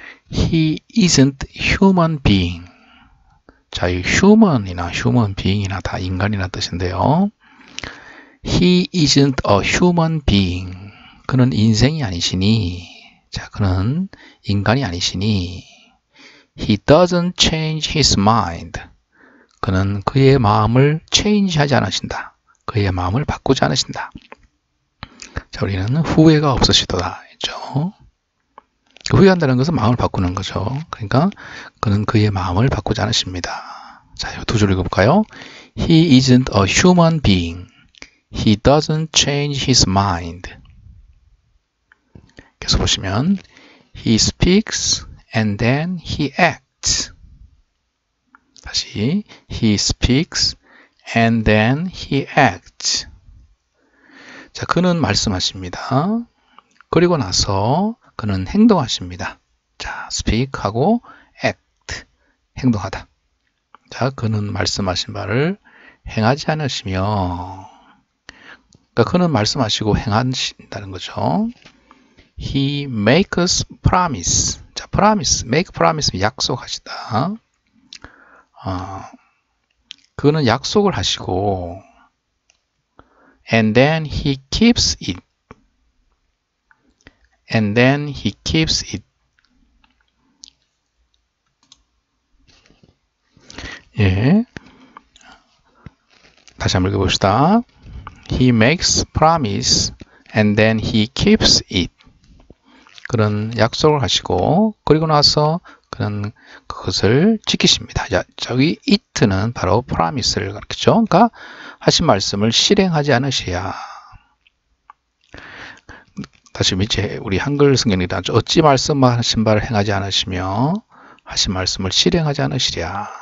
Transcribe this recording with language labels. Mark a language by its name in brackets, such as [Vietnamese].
[English] He isn't human being. [Korean] 자, 이 human이나 human being이나 다 인간이나 뜻인데요. [English] He isn't a human being. [Korean] 그는 인생이 아니시니. 자, 그는 인간이 아니시니. [English] He doesn't change his mind. [Korean] 그는 그의 마음을 change 하지 않으신다. 그의 마음을 바꾸지 않으신다. 자, 우리는 후회가 없으시도다. 했죠. 후회한다는 것은 마음을 바꾸는 거죠. 그러니까 그는 그의 마음을 바꾸지 않으십니다. 자, 이두줄 읽어볼까요? [English] He isn't a human being. He doesn't change his mind. [Korean] 계속 보시면 [English] He speaks and then he acts. [Korean] 다시 [English] He speaks and then he acts. [Korean] 자, 그는 말씀하십니다. 그리고 나서 그는 행동하십니다. 자, speak하고 act, 행동하다. 자, 그는 말씀하신 바를 행하지 않으시며, 그러니까 그는 말씀하시고 행하신다는 거죠. [English] He makes promise. [Korean] 자, promise, make promise, 약속하시다. 그는 약속을 하시고, [English] and then he keeps it. And then he keeps it. [Korean] 예. 다시 한번 읽어봅시다. [English] He makes promise and then he keeps it. [Korean] 그런 약속을 하시고, 그리고 나서 그는 그것을 지키십니다. 자, 저기 it는 바로 promise를 가르쳐. 그러니까 하신 말씀을 실행하지 않으셔야. 다시 밑에 우리 한글 성경에 나왔죠. 어찌 말씀하신 바를 행하지 않으시며 하신 말씀을 실행하지 않으시랴.